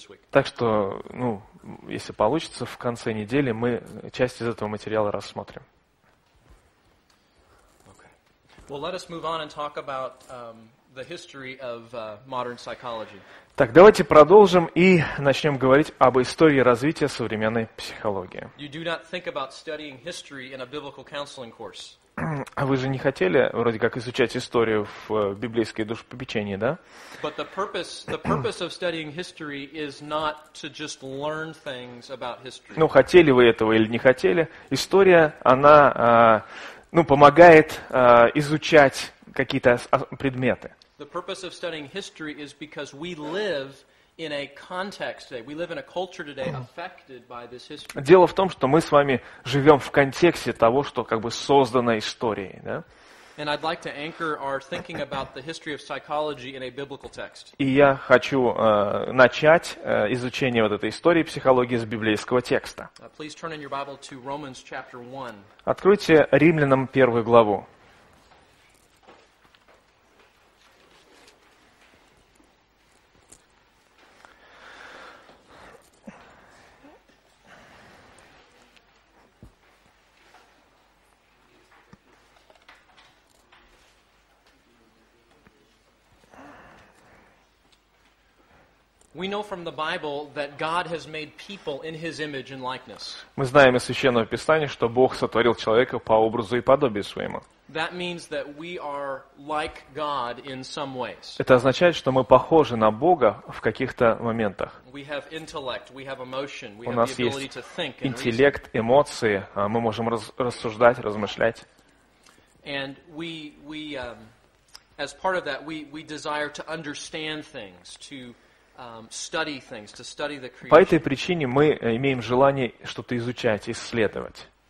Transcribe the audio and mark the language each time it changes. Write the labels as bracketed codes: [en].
[ru] Так что, ну, если получится, в конце недели мы часть из этого материала рассмотрим. [en] Well, let us move on and talk about the history of modern psychology. [ru] Так, давайте продолжим и начнем говорить об истории развития современной психологии. [en] You do not think about studying history in a biblical counseling course. [ru] А вы же не хотели, вроде как, изучать историю в библейской душепопечении, да? [en] But the purpose of studying history is not to just learn things about history. [ru] Ну, хотели вы этого или не хотели, история, она... Ну, помогает изучать какие-то предметы. [en] The purpose of studying history is because we live in a context today. We live in a culture today affected by this history. [ru] Дело в том, что мы с вами живем в контексте того, что как бы создано историей, да? [en] And I'd like to anchor our thinking about the history of psychology in a biblical text. [ru] И я хочу начать изучение вот этой истории психологии с библейского текста. [en] Please turn in your Bible to Romans chapter 1. [ru] Откройте Римлянам первую главу. [en] We know from the Bible that God has made people in His image and likeness. [ru] Мы знаем из Священного Писания, что Бог сотворил человека по образу и подобию своему. [en] That means that we are like God in some ways. [ru] Это означает, что мы похожи на Бога в каких-то моментах. [en] We have intellect, we have emotion, we have the ability to think. [ru] У нас есть интеллект, эмоции, мы можем рассуждать, размышлять. [en] And we as part of that, we desire to understand things, to study things, to study the creation. [ru] По этой причине мы имеем желание что-то изучать, исследовать.